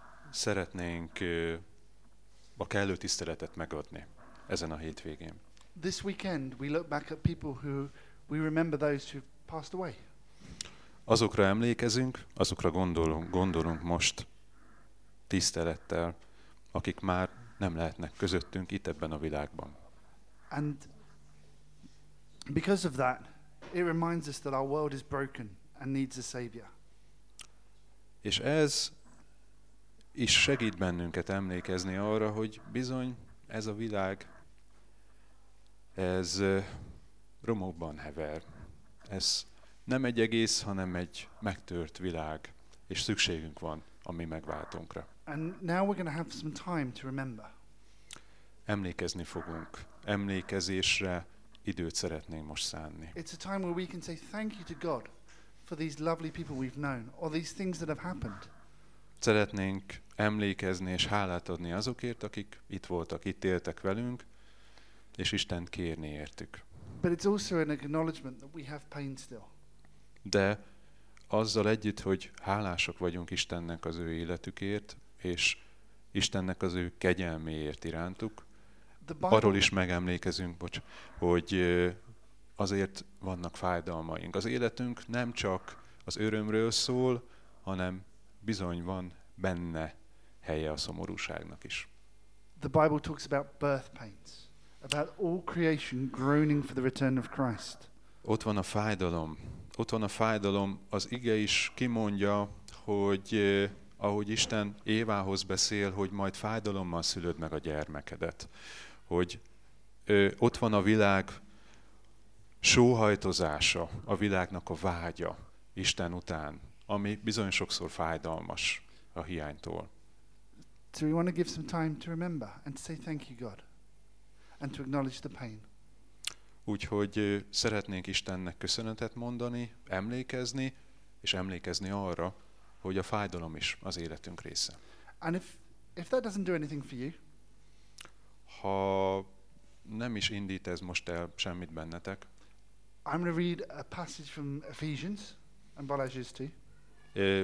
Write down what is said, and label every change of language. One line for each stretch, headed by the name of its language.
Hungarian: Szeretnénk a kellő tiszteletet megadni ezen a hétvégén.
English: This weekend we look back at people who we remember those who passed away.
Hungarian: Azokra emlékezünk, azokra gondolunk most tisztelettel, akik már nem lehetnek közöttünk itt ebben a világban.
English: And because of that, it reminds us that our world is broken. And needs a savior.
Hungarian: És ez is segít bennünket emlékezni arra, hogy bizony ez a világ ez romokban hever. Ez nem egy egész, hanem egy megtört világ, és szükségünk van a mi megváltónkra.
English: And now we're going to have some time to remember.
Hungarian: Emlékezni fogunk. Emlékezésre időt szeretnénk most szánni.
English: It's a time where we can say thank you to God for these lovely people we've known, or these things that have happened.
Hungarian: Szeretnénk emlékezni és hálát adni azokért, akik itt voltak, itt éltek velünk, és Istent kérni értük.
English: But it's also an acknowledgement that we have pain still.
Hungarian: De azzal együtt, hogy hálások vagyunk Istennek az ő életükért, és Istennek az ő kegyelméért irántuk, arról is megemlékezünk, hogy azért vannak fájdalmaink. Az életünk nem csak az örömről szól, hanem bizony van benne helye a szomorúságnak is.
English: The Bible talks about birth pains, about all creation groaning for the return of Christ.
Hungarian: Ott van a fájdalom. Ott van a fájdalom. Az ige is kimondja, hogy ahogy Isten Évához beszél, hogy majd fájdalommal szülöd meg a gyermekedet. Hogy ott van a világ sóhajtozása, a világnak a vágya Isten után, ami bizony sokszor fájdalmas a hiánytól.
English: So we want to give some time to remember and to say thank you God and to acknowledge the pain.
Hungarian: Úgyhogy szeretnénk Istennek köszönetet mondani, emlékezni és emlékezni arra, hogy a fájdalom is az életünk része.
English: And if that doesn't do anything for you,
Hungarian: ha nem is indít ez most el semmit bennetek,
English: I'm going to read a passage from Ephesians and Balázs's too.